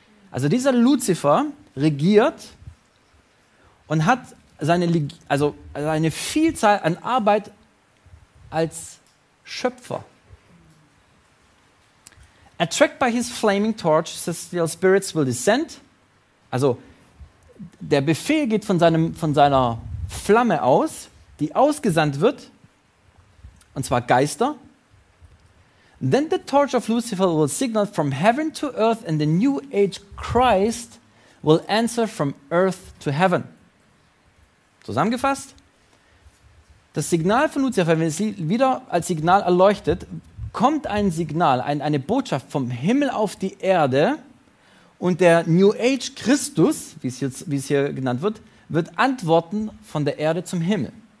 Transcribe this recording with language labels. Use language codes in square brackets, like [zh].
[de] Also dieser Lucifer regiert und hat seine Vielzahl an Arbeit als Schöpfer. [en] Attracted by his flaming torch, celestial spirits will descend. [de] Also der Befehl geht von seiner Flamme aus, die ausgesandt wird, und zwar Geister. [en] Then the torch of Lucifer will signal from heaven to earth and the new age Christ will answer from earth to heaven. [de] Zusammengefasst, das Signal von Lucifer, wenn es wieder als Signal erleuchtet, kommt ein Signal, eine Botschaft vom Himmel auf die Erde und der New Age Christus, wie es hier genannt wird, wird antworten von der Erde zum Himmel.